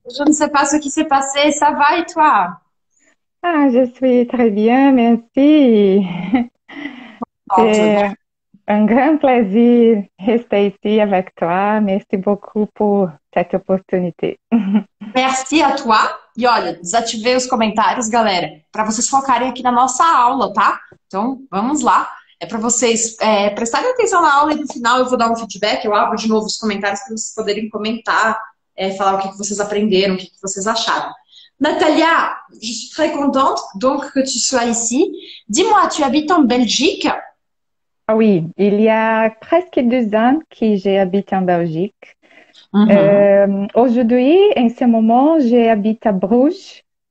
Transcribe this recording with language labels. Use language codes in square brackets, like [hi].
[fr] Je ne sais pas ce qui s'est passé. Ça va et toi? Ah, je suis très bien, merci. C'est un grand plaisir de rester ici avec toi. Merci beaucoup pour cette opportunité. Merci à toi. [pt] E olha, desativei os comentários, galera, para vocês focarem aqui na nossa aula, tá? Então, vamos lá. É para vocês prestarem atenção na aula e no final eu vou dar um feedback, eu abro de novo os comentários para vocês poderem comentar, falar o que vocês aprenderam, o que vocês acharam. [fr] Natália, je suis très contente donc que tu sois ici. Dis-moi, tu habites en Belgique? Oui, il y a presque 2 ans que j'habite en Belgique. Uhum. Aujourd'hui, en ce moment, j'habite à Bruges.